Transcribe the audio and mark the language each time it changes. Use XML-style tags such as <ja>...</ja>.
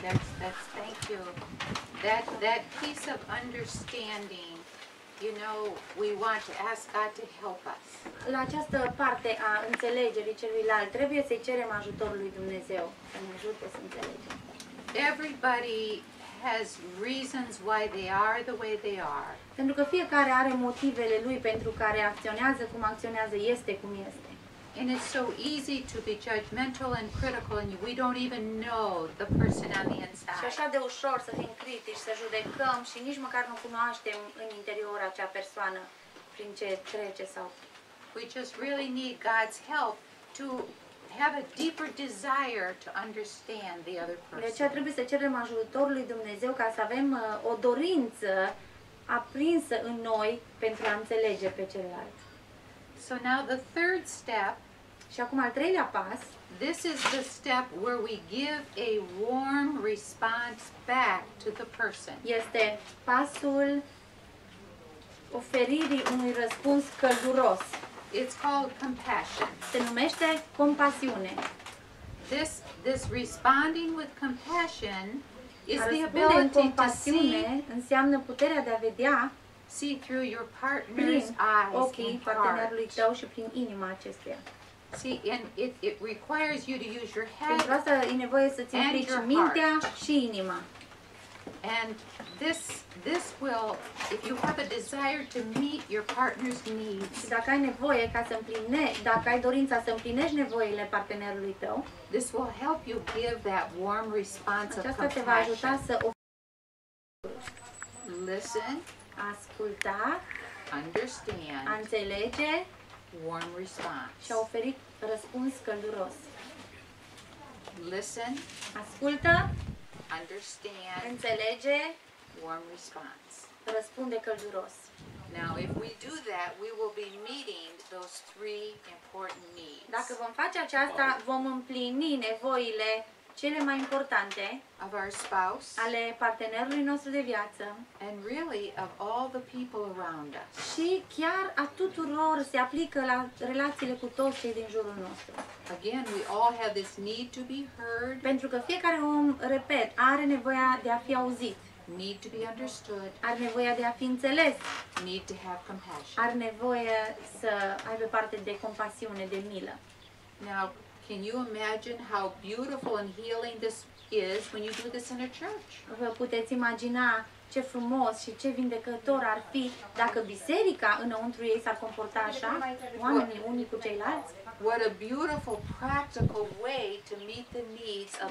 <en>That's thank you. That piece of understanding, You know, we want to ask God to help us.</en> <ro>La această parte a înțelegerii celuilalt, trebuie să-i cerem ajutorul lui Dumnezeu să ne ajute să înțelegem.</ro> <en>Everybody has reasons why they are the way they are.</en> <ro>Pentru că fiecare are motivele lui pentru care acționează cum acționează, este cum este.</ro> <en>And it's so easy to be judgmental and critical, and we don't even know the person on the inside.</en> <ro>Și așa de ușor să fim critici, să judecăm și nici măcar nu cunoaștem în interior acea persoană prin ce trece sau.</ro> <en>We just really need God's help to have a deeper desire to understand the other person.</en> <ro>Deci trebuie să cerem ajutorul lui Dumnezeu ca să avem o dorință aprinsă în noi pentru a înțelege pe celălalt.</ro> <en>So now the third step.</en> <ro>Și acum al treilea pas.</ro> <en>This is the step where we give a warm response back to the person.</en> <ro>Este pasul oferirii unui răspuns călduros.</ro> <en>It's called compassion.</en> <ro>Se numește compasiune.</ro> <en>This responding with compassion is the ability to see,</en> <ro>înseamnă puterea de a vedea,</ro> <en>see through your partner's eyes,</en> <ro>ochii partenerului tău și prin inima acestuia.</ro> <en>See, and it requires you to use your head.</en> <ro>Pentru asta e nevoie să ți implici mintea și inima.</ro> <en>And this will, if you have a desire to meet your partner's needs,</en> <ro>dacă ai nevoie ca să împlinești, dacă ai dorința să împlinești nevoile partenerului tău,</ro> <en>this will help you give that warm response of compassion.</en> <ro>Aceasta te va ajuta să</ro> <en>listen,</en> <ro>asculta,</ro> <en>understand,</en> <ro>înțelege,</ro> <en>warm response,</en> <ro>și a oferi răspuns călduros.</ro> <en>Listen,</en> <ro>ascultă,</ro> <en>understand,</en> <ro>înțelege,</ro> <en>warm response,</en> <ro>răspunde călduros.</ro> <en>Now if we do that, we will be meeting those three important needs.</en> <ro>Dacă vom face aceasta, vom împlini nevoile cele mai importante</ro> <en>of our spouse,</en> <ro>ale partenerului nostru de viață,</ro> <en>and really of all the people around us.</en> <ro>Și chiar a tuturor se aplică la relațiile cu toți cei din jurul nostru.</ro> <en>Again, we all have this need to be heard.</en> <ro>Pentru că fiecare om, repet, are nevoia de a fi auzit.</ro> <en>Need to be understood.</en> <ro>Are nevoia de a fi înțeles.</ro> <en>Need to have compassion.</en> <ro>Are nevoia să aibă parte de compasiune, de milă.</ro> <en>Now, can you imagine how beautiful and healing this is when you do this in a church?</en> <ro>Vă puteți imagina ce frumos și ce vindecător ar fi dacă biserica înăuntru ei s-ar comporta așa, oamenii unii cu ceilalți?</ro> <en>What a beautiful practical way to meet the needs of</en>